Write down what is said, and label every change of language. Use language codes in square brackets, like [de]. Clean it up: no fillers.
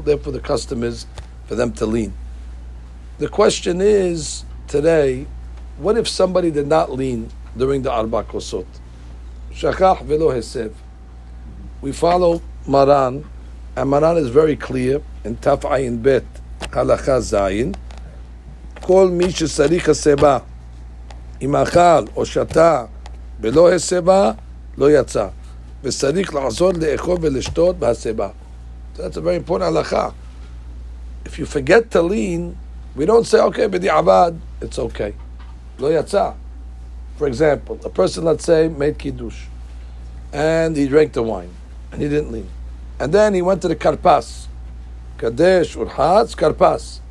[en] Therefore, the custom is for them to lean. The question is, today, what if somebody did not lean during the Arba Kosot? Shakach velo hesev. We follow Maran, and Maran is very clear in Taf Ayin Bet, Halakha Zayin. [he] כל מי שצריך הסיבה אם אכל או שתה ולא הסיבה לא יצא וצריך לעזור לאכול ולשתות בהסיבה. [en] That's a very important הלכה. If you forget to lean, we don't say okay בדיעבד, it's okay, לא יצא. For example, a person, let's say, made kiddush and he drank the wine and he didn't lean, and then he went to the karpas, kadesh urhats karpas.